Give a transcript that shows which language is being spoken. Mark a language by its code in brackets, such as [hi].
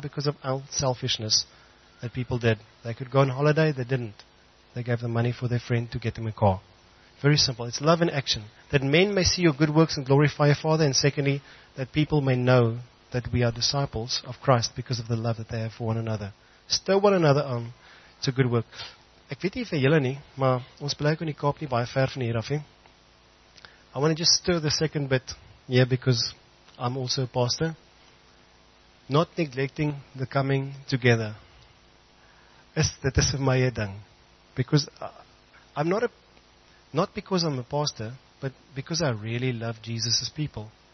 [en] Because of unselfishness that people did. They could go on holiday, they didn't. They gave the money for their friend to get them a car. Very simple. It's love in action. That men may see your good works and glorify your Father, and secondly, that people may know that we are disciples of Christ because of the love that they have for one another. Stir one another on to good work. [af] Ek weet nie vir julle nie, maar ons bly ook in die Kaap nie baie ver van hier af nie. [en] I want to just stir the second bit here because I'm also a pastor. Not neglecting the coming together. That is my thing. Because I'm not a, not because I'm a pastor, but because I really love Jesus' people.